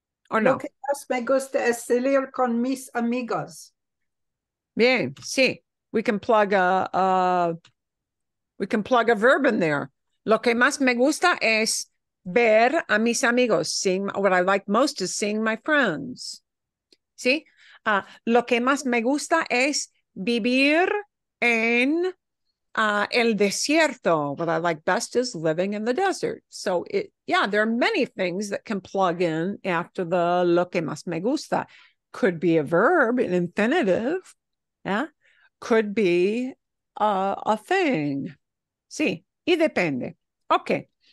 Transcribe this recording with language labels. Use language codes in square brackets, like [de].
[en] Or no? [es] Lo que más me gusta es salir con mis amigos. Bien, sí. [en] We can plug a verb in there. [es] Lo que más me gusta es ver a mis amigos. [en] Seeing what I like most is seeing my friends. [es] ¿Sí? Lo que más me gusta es vivir en el desierto. [en] What I like best is living in the desert. So, there are many things that can plug in after the [es] lo que más me gusta. [en] Could be a verb, an infinitive. Yeah? Could be a thing. [es] Sí, y depende. Okay.